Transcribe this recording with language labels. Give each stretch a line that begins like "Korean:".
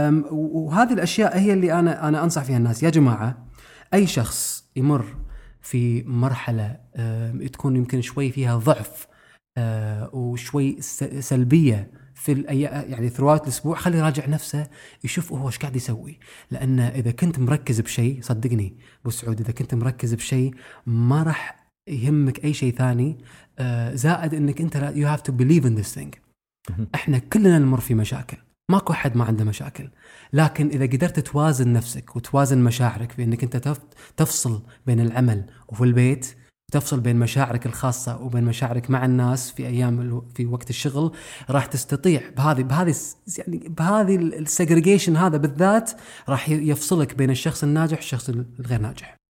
Arabic: وهذه الاشياء هي اللي انا انصح فيها الناس. يا جماعه اي شخص يمر في مرحله تكون يمكن شوي فيها ضعف وشوي سلبيه في يعني ثروات الاسبوع خلي يراجع نفسه يشوف هو ايش قاعد يسوي. لان اذا كنت مركز بشيء صدقني ابو سعود اذا كنت مركز بشيء ما راح يهمك اي شيء ثاني. زائد انك انت
English: you have to believe in this thing.
Arabic: احنا كلنا نمر في مشاكل, ماكو احد ما عنده مشاكل, لكن اذا قدرت توازن نفسك وتوازن مشاعرك بانك انت تفصل بين العمل وفي البيت وتفصل بين مشاعرك الخاصه وبين مشاعرك مع الناس في ايام في وقت الشغل راح تستطيع بهذه السيجريجيشن هذا بالذات راح يفصلك بين الشخص الناجح والشخص الغير ناجح.